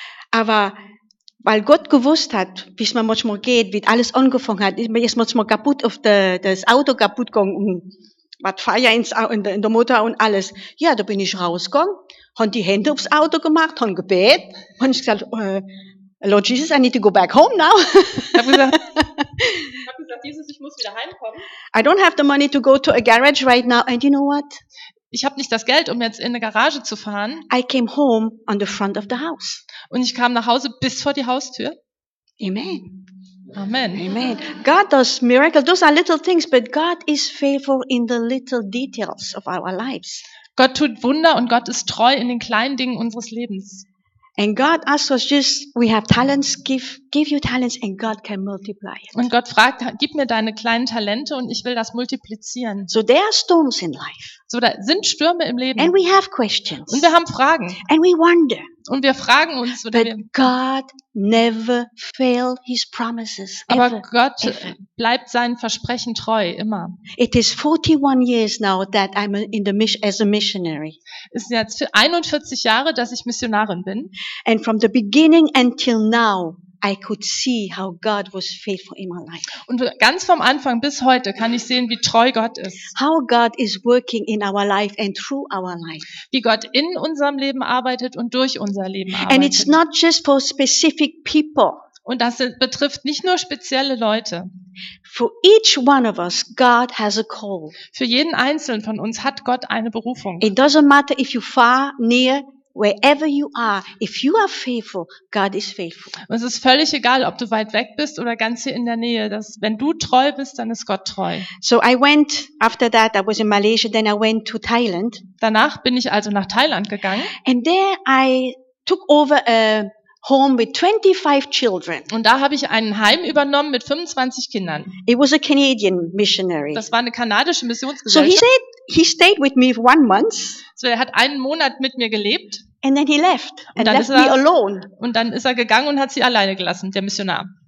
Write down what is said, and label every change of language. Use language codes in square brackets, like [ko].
[de] Aber weil Gott gewusst hat, wie es mir manchmal geht, wie alles angefangen hat, ist mir manchmal kaputt auf das Auto kaputt gegangen, was Feuer in der Motor und alles. Ja, da bin ich rausgegangen, habe die Hände aufs Auto gemacht, habe gebetet, habe ich gesagt, [en] Lord Jesus, I need to go back home now. [de] Ich habe gesagt, Jesus, ich muss wieder heimkommen. [en] I don't have the money to go to a garage right now. And you know what? [de] Ich habe nicht das Geld, um jetzt in eine Garage zu fahren. [en] I came home on the front of the house. [de] Und ich kam nach Hause bis vor die Haustür. [en] Amen. Amen. Amen. God does miracles. Those are little things, but God is faithful in the little details of our lives. [de] Gott tut Wunder und Gott ist treu in den kleinen Dingen unseres Lebens. [en] And God asks us just, we have talents, give you talents and God can multiply it. [de] Und Gott fragt, gib mir deine kleinen Talente und ich will das multiplizieren. [en] So there are storms in life. [de] So da sind Stürme im Leben. [en] And we have questions. [de] Und wir haben Fragen. [en] And we wonder. [de] Und wir fragen uns. [en] But God never fail his promises. [de] Aber ever, Gott ever. Bleibt seinen Versprechen treu, immer. [en] It is 41 years now that I'm in the as a missionary. [de] Es ist jetzt 41 Jahre, dass ich Missionarin bin. [en] And from the beginning until now, I could see how God was faithful in my life. [de] Und ganz vom Anfang bis heute kann ich sehen, wie treu Gott ist. [en] How God is working in our life and through our life. [de] Wie Gott in unserem Leben arbeitet und durch unser Leben arbeitet. [en] And it's not just for specific people. [de] Und das betrifft nicht nur spezielle Leute. [en] For each one of us, God has a call. [de] Für jeden einzelnen von uns hat Gott eine Berufung. [en] It doesn't matter if you far, near. Wherever you are, if you are faithful, God is faithful. [de] Und es ist völlig egal, ob du weit weg bist oder ganz hier in der Nähe. Dass, wenn du treu bist, dann ist Gott treu. [en] So I went after that. I was in Malaysia. Then I went to Thailand. [de] Danach bin ich also nach Thailand gegangen. [en] And there I took over a home with 25 children. [de] Und da habe ich ein Heim übernommen mit 25 Kindern. [en] It was a Canadian missionary. [de] Das war eine kanadische Missionsgesellschaft. [en] So he stayed with me for 1 month. [de] So er hat einen Monat mit mir gelebt. [en] And then he left. And left me alone. [de] Und dann ist er gegangen und hat sie alleine gelassen, der Missionar.